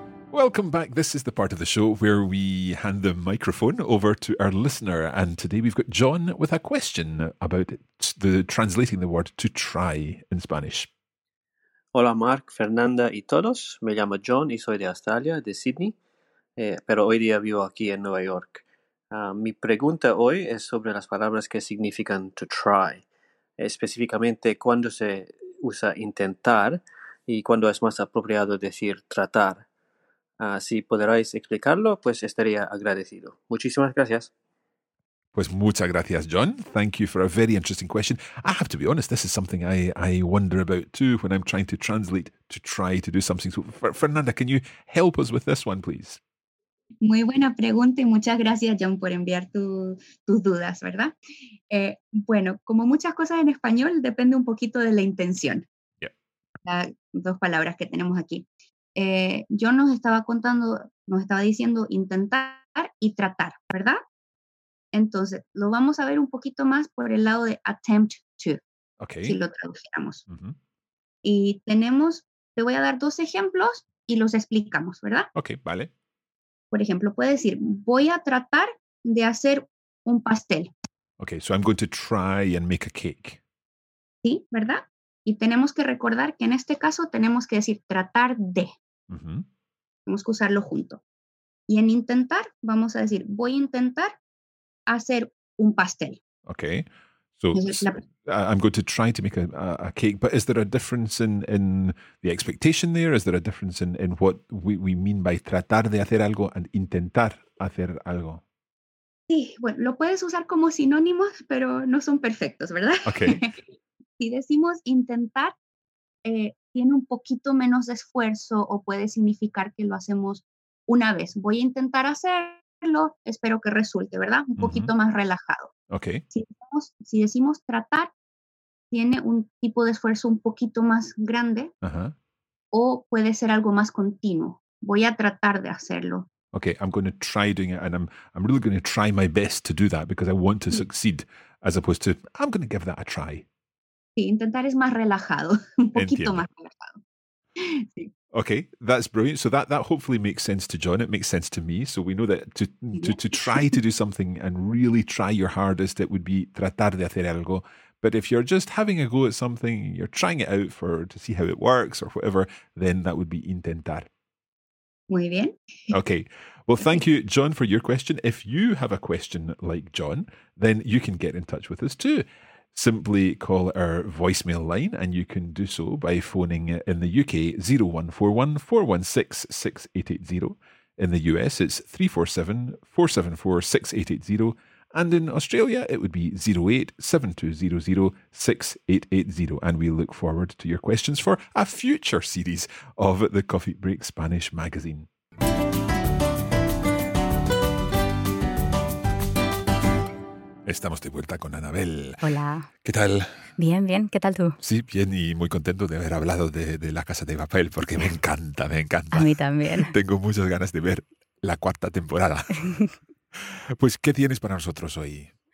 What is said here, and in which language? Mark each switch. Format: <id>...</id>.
<en>Welcome back. This is the part of the show where we hand the microphone over to our listener. And today we've got John with a question about the translating the word to try in Spanish.</en> <es>Hola, Mark, Fernanda y todos. Me llamo John y soy de Australia, de Sydney. Pero hoy día vivo aquí en Nueva York. Mi pregunta hoy es sobre las palabras que significan to try. Específicamente, ¿cuándo se usa intentar y cuándo es más apropiado decir tratar? Si podráis explicarlo, pues estaría agradecido. Muchísimas gracias. Pues muchas gracias, John.</es> <en>Thank you for a very interesting question. I have to be honest, this is something I wonder about too when I'm trying to translate to try to do something. So, Fernanda, can you help us with this one, please?</en> <es>Muy buena pregunta y muchas gracias, John, por enviar tus dudas, ¿verdad? Bueno, como muchas cosas en español, depende un poquito de la intención.</es> <en>Yeah.</en> <es>Las dos palabras que tenemos aquí. John nos estaba diciendo intentar y tratar, ¿verdad? Entonces, lo vamos a ver un poquito más por el lado de attempt to, okay. Si lo tradujéramos. Uh-huh. Y te voy a dar dos ejemplos y los explicamos, ¿verdad? Ok, vale. Por ejemplo, puede decir, voy a tratar de hacer un pastel.</es> <en>Ok, so I'm going to try and make a cake.</en> <es>Sí, ¿verdad? Y tenemos que recordar que en este caso tenemos que decir tratar de. Uh-huh. Tenemos que usarlo junto. Y en intentar, vamos a decir, voy a intentar hacer un pastel. Ok.</es> <en>So, I'm going to try to make a cake, but is there a difference in the expectation there? Is there a difference in what we mean by</en> <es>tratar de hacer algo</es> <en>and</en> <es>intentar hacer algo? Sí, bueno, lo puedes usar como sinónimos, pero no son perfectos, ¿verdad? Ok. Si decimos intentar, tiene un poquito menos de esfuerzo o puede significar que lo hacemos una vez. Voy a intentar hacerlo, espero que resulte, ¿verdad? Un poquito uh-huh. más relajado. Ok. Si decimos tratar, tiene un tipo de esfuerzo un poquito más grande uh-huh. o puede ser algo más continuo. Voy a tratar de hacerlo.</es> <en>Ok, I'm going to try doing it and I'm really going to try my best to do that because I want to succeed as opposed to I'm going to give that a try.</en> <es>Sí, intentar es más relajado, un poquito Entiendo. Más relajado.</es> <en>Sí. Okay, that's brilliant. So that hopefully makes sense to John. It makes sense to me. So we know that to try to do something and really try your hardest, it would be</en> <es>tratar de hacer algo.</es> <en>But if you're just having a go at something, you're trying it out for to see how it works or whatever, then that would be intentar.</en> <es>Muy bien. Okay.</es> <en>Well, thank you, John, for your question. If you have a question like John, then you can get in touch with us too. Simply call our voicemail line and you can do so by phoning in the UK 0141 416 6880. In the US it's 347 474 6880. And in Australia it would be 08 7200 6880. And we look forward to your questions for a future series of the Coffee Break Spanish magazine.</en> <es>Estamos de vuelta con Anabel. Hola. ¿Qué tal? Bien, bien. ¿Qué tal tú? Sí, bien y muy contento de haber hablado de La Casa de Papel porque me encanta, me encanta. A mí también. Tengo muchas ganas de ver la cuarta temporada. Pues, ¿qué tienes para nosotros hoy?</es>